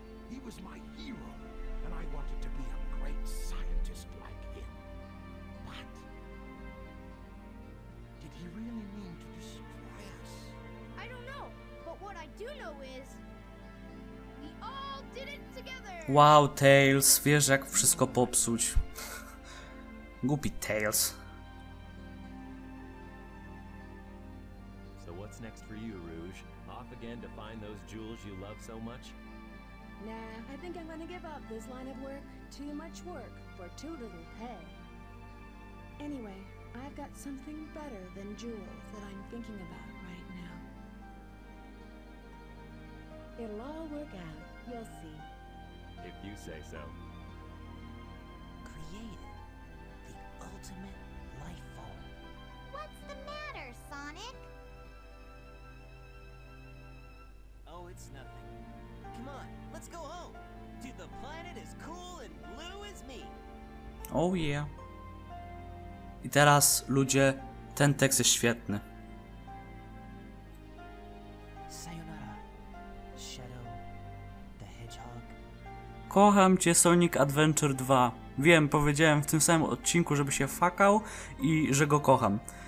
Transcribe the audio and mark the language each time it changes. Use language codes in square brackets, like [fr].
[en] He was my hero, and I wanted to be a great scientist like him. But did he really mean to destroy us? I don't know, but what I do know is we all did it together! [pl] Wow, Tails, wiesz jak wszystko popsuć. Głupi Tails. [en] So what's next for you, Rouge? Off again to find those jewels you love so much? Nah, I think I'm gonna give up this line of work. Too much work for too little pay. Anyway, I've got something better than jewels that I'm thinking about right now. It'll all work out, you'll see. If you say so. Created the ultimate life form. What's the matter, Sonic? Oh, it's nothing. Come on, let's go home. Dude, the planet is cool and blue as me. Oh yeah. [pl] I teraz, ludzie, ten tekst jest świetny. [en] Sayonara, Shadow the Hedgehog. [pl] Kocham cię, Sonic Adventure 2. Wiem, powiedziałem w tym samym odcinku, żeby się fakał i że go kocham.